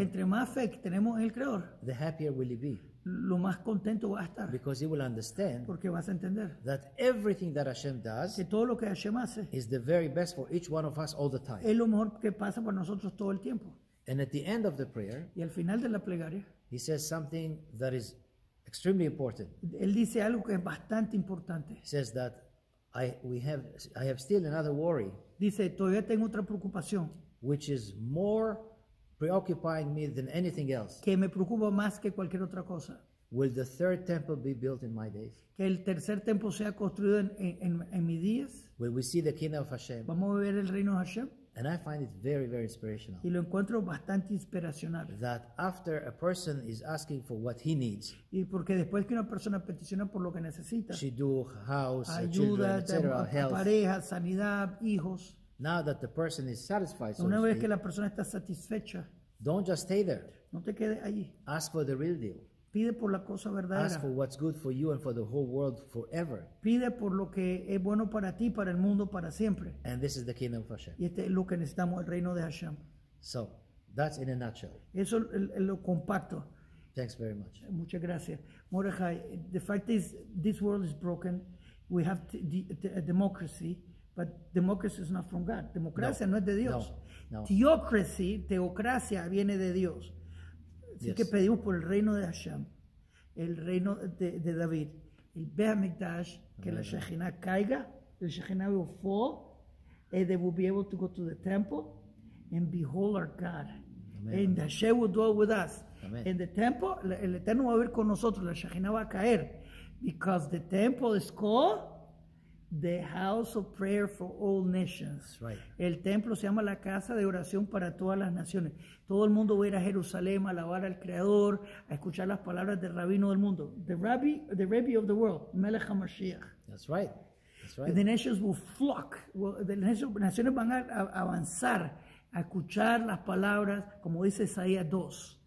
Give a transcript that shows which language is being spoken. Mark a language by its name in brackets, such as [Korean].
[Spanish] entre más fe tenemos en el Creador, [English] the happier will he be. [Spanish] Lo más contento va a estar. [English] Because he will understand, [Spanish] porque vas a entender, [English] that everything that Hashem does, [Spanish] que todo lo que Hashem hace, [English] is the very best for each one of us all the time. [Spanish] Es lo mejor que pasa para nosotros todo el tiempo. [English] And at the end of the prayer, [Spanish] y al final de la plegaria, [English] he says something that is extremely important. [Spanish] Él dice algo que es bastante importante. [English] He says that I have still another worry. [Spanish] Dice, todavía tengo otra preocupación. [English] Which is more preoccupying me than anything else. [Spanish] Que me preocupa más que cualquier otra cosa. [English] Will the third temple be built in my days? [Spanish] Que el tercer templo sea construido en mis días. [English] Will we see the kingdom of Hashem? [Spanish] Vamos a ver el reino de Hashem. [English] And I find it very, very inspirational. [Spanish] Y lo encuentro bastante inspiracional. [English] That after a person is asking for what he needs. [Spanish] Y porque después que una persona peticiona por lo que necesita. [English] She do house, [Spanish] ayuda, [English] children, etc., health. [Spanish] Pareja, sanidad, hijos. [English] Now that the person is satisfied. [Spanish] Una [English] so [Spanish] vez [English] speak, [Spanish] que la persona está satisfecha. [English] Don't just stay there. [Spanish] No te quedes allí. [English] Ask for the real deal. [Spanish] Pide por la cosa verdadera. [English] Ask for what's good for you and for the whole world forever. [Spanish] Pide por lo que es bueno para ti, para el mundo, para siempre. [English] And this is the kingdom of Hashem. [Spanish] Y este es lo que necesitamos, el reino de Hashem. [English] So, that's in a nutshell. [Spanish] Eso es lo compacto. [English] Thanks very much. [Spanish] Muchas gracias. [English] Mordechai, the fact is, this world is broken. We have a democracy, but democracy is not from God. [Spanish] Democracia no es de Dios. No. Teocracia viene de Dios. Así que pedimos por el reino de Hashem, el reino de David, el Beit HaMikdash, que la Shekhinah caiga, [English] the Shekhinah will fall, and they will be able to go to the temple and behold our God. Amen. And Hashem will dwell with us. Amen. In the temple, [Spanish] el Eterno va a vivir con nosotros, la Shekhinah va a caer. [English] Because the temple is called the house of prayer for all nations. Right. [Spanish] El templo se llama la casa de oración para todas las naciones. Todo el mundo va a ir a Jerusalén a alabar al Creador, a escuchar las palabras del Rabino del mundo. [English] The Rabbi of the world, Melech HaMashiach. That's right. That's right. And the nations will flock. Well, the [Spanish] naciones van a avanzar, a escuchar las palabras, como dice Isaías 2.